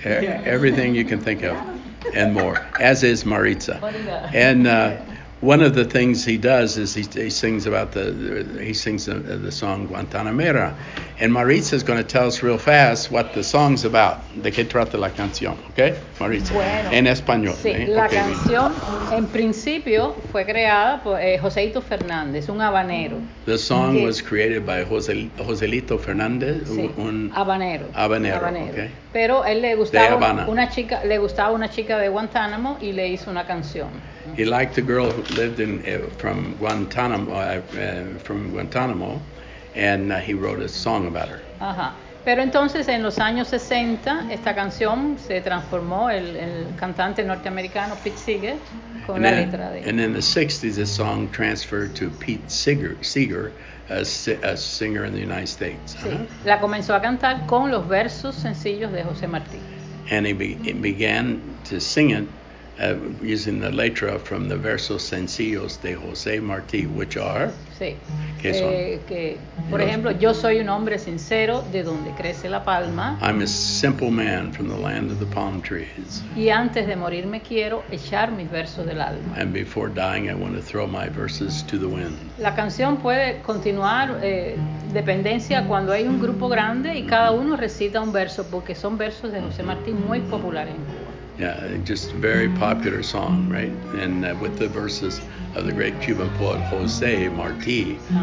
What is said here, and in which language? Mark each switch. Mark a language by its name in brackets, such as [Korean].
[English] Everything you can think of. And more. As is Maritza. And... one of the things he does is he sings the song Guantanamera. And Maritza is going to tell us real fast what the song's about. [Spanish] ¿De qué trata la canción? Okay, Maritza. Bueno, en español. Sí, la canción en principio fue creada por Joselito Fernández, un habanero. [English] The song was created by Joselito Fernández, un [Spanish] habanero. Habanero, okay. Pero él le gustaba una chica, de Guantánamo y le hizo una canción. [English] He liked a girl who lived in from Guantanamo, and he wrote a song about her. [Spanish] Ajá. Pero entonces en los años 60 esta canción se transformó el cantante norteamericano Pete Seeger con la letra de. [English] And in the 60s, the song transferred to Pete Seeger, a singer in the United States. [Spanish] Sí. Uh-huh. La comenzó a cantar con los versos sencillos de José Martí. [English] And he began to sing it. Using the letra from the versos sencillos de José Martí, which are? [Spanish] Sí. ¿Qué son? Por ejemplo, yo soy un hombre sincero de donde crece la palma. [English] I'm a simple man from the land of the palm trees. [Spanish] Y antes de morir me quiero echar mis versos del alma. [English] And before dying I want to throw my verses to the wind. [Spanish] La canción puede continuar dependencia cuando hay un grupo grande y cada uno recita un verso, porque son versos de José Martí muy populares en Cuba. [English] Yeah, just a very popular song, right? And with the verses of the great Cuban poet José Martí.